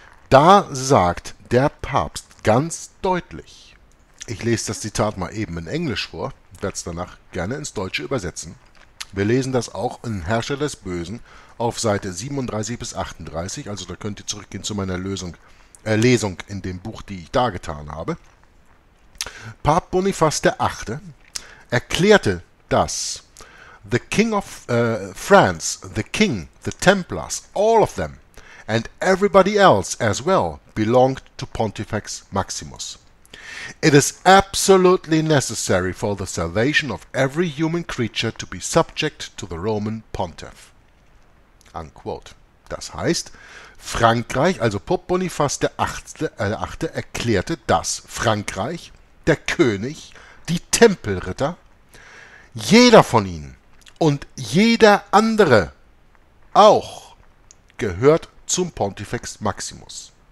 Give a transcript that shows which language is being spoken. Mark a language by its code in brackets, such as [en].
[de] Da sagt der Papst ganz deutlich, ich lese das Zitat mal eben in Englisch vor, werde es danach gerne ins Deutsche übersetzen. Wir lesen das auch in Herrscher des Bösen auf Seite 37 bis 38, also da könnt ihr zurückgehen zu meiner Lesung in dem Buch, die ich da getan habe. Papst Boniface der 8. erklärte, dass [en] the King of France, the King, the Templars, all of them and everybody else as well belonged to Pontifex Maximus. It is absolutely necessary for the salvation of every human creature to be subject to the Roman Pontiff. Unquote. [de] Das heißt, Frankreich, also Pope Boniface der 8. erklärte, dass Frankreich, der König, die Tempelritter, jeder von ihnen und jeder andere auch gehört zum Pontifex Maximus.